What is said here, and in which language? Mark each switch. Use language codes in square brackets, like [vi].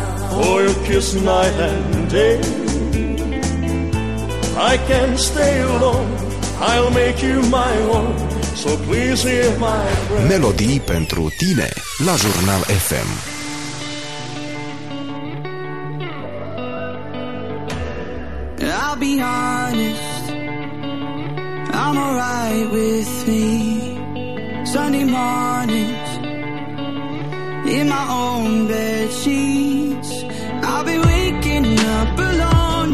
[en] For your kiss night and day. I can't stay alone. I'll make you my own. so please hear my prayer. [ro] Melodii pentru tine la Jurnal FM. [en] I'll be honest, I'm alright with me. Sunday mornings in my own bed sheets, I'll be waking up alone.